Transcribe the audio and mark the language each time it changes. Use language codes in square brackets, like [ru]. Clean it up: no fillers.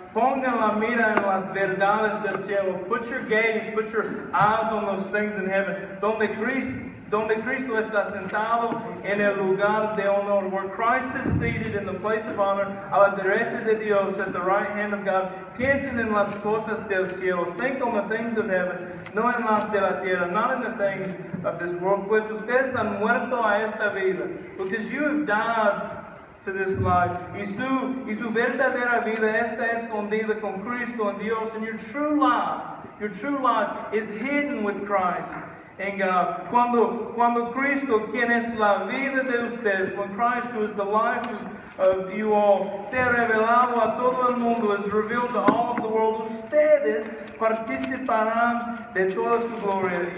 [es] Ponga la mira en las verdades del cielo. [en] Put your gaze, put your eyes on those things in heaven. [es] Donde Cristo está sentado en el lugar de honor, [en] where Christ is seated in the place of honor, [es] a la derecha de Dios, [en] at the right hand of God. [es] Piensen en las cosas del cielo. [en] Think on the things of heaven, [es] no en las de la tierra, [en] not in the things of this world. [es] Pues ustedes han muerto a esta vida. [en] Because you have died to this life. [es] Y su verdadera vida está escondida con Cristo en Dios. [en] And your true life is hidden with Christ in God. [es] Cuando Cristo, quien es la vida de ustedes, [en] when Christ, who is the life of you all, [es] se ha revelado a todo el mundo, [en] is revealed to all of the world, [es] ustedes participarán de toda su gloria.